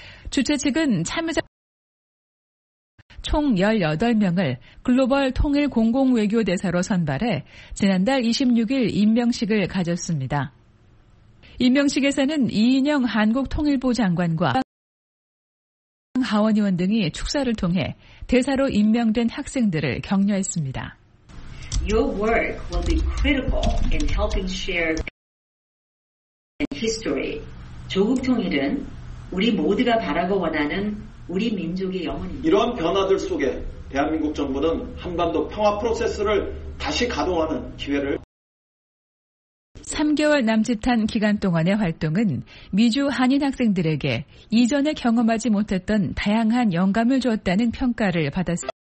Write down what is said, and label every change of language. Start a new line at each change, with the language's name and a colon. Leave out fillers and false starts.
Korean: 주최 측은 참여자 총 18명을 글로벌 통일 공공외교대사로 선발해 지난달 26일 임명식을 가졌습니다. 임명식에서는 이인영 한국통일부 장관과 하원 의원 등이 축사를 통해 대사로 임명된 학생들을 격려했습니다.
English: Your work will be critical in helping share history.
Korean: 조국 통일은 우리 모두가 바라고 원하는 우리 민족의 영혼입니다. 이런 변화들 속에 대한민국 정부는 한반도 평화 프로세스를 다시 가동하는 기회를 3개월 남짓한 기간 동안의 활동은 미주 한인 학생들에게 이전에 경험하지 못했던 다양한 영감을 주었다는 평가를 받았습니다.